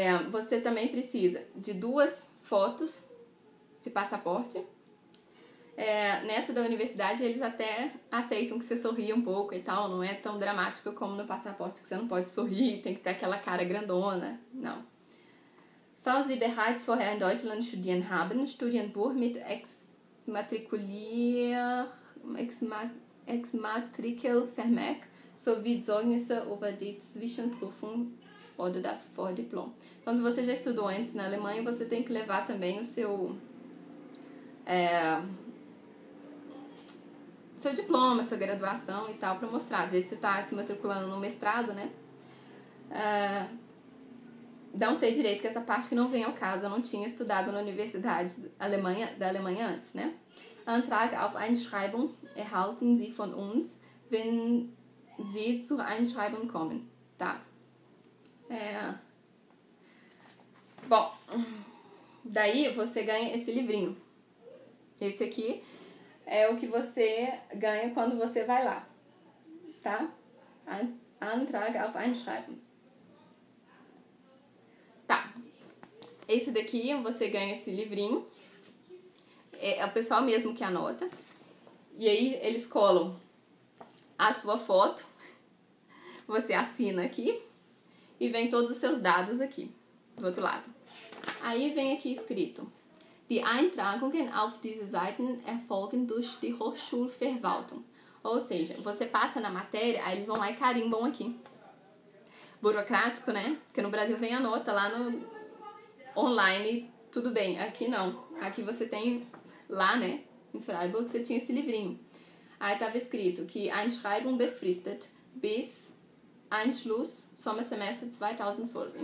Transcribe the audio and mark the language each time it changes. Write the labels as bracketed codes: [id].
[pt] Você também precisa de duas fotos de passaporte. Nessa da universidade, eles até aceitam que você sorria um pouco e tal. Não é tão dramático como no passaporte, que você não pode sorrir, tem que ter aquela cara grandona. Não. [de] Falls Sie bereits vorher in Deutschland studieren haben, studieren Sie mit Exmatrikelvermerk sowie Zeugnisse über die Zwischenprüfung oder das Vordiplom. [pt] Então, se você já estudou antes na Alemanha, você tem que levar também o seu seu diploma, sua graduação e tal, para mostrar. Às vezes você está se matriculando no mestrado, né? Não sei direito, que essa parte que não vem ao caso, eu não tinha estudado na universidade da Alemanha antes, né? [de] Antrag auf Einschreibung erhalten Sie von uns, wenn Sie zur Einschreibung kommen. [pt] Tá. Bom, daí você ganha esse livrinho. Esse aqui é o que você ganha quando você vai lá. Tá? [de] Antrag auf Einschreibung. [pt] Esse daqui, você ganha esse livrinho, é o pessoal mesmo que anota, e aí eles colam a sua foto, você assina aqui, e vem todos os seus dados aqui, do outro lado. Aí vem aqui escrito, [de] Die Eintragungen auf diese Seiten erfolgen durch die Hochschulverwaltung. [pt] Ou seja, você passa na matéria, aí eles vão lá e carimbam aqui. Burocrático, né? Porque no Brasil vem a nota lá no... online, tudo bem. Aqui não. Aqui você tem, lá, né, em Freiburg, você tinha esse livrinho. Aí tava escrito que [de] Einschreibung befristet bis Anschluss Sommersemester 2012.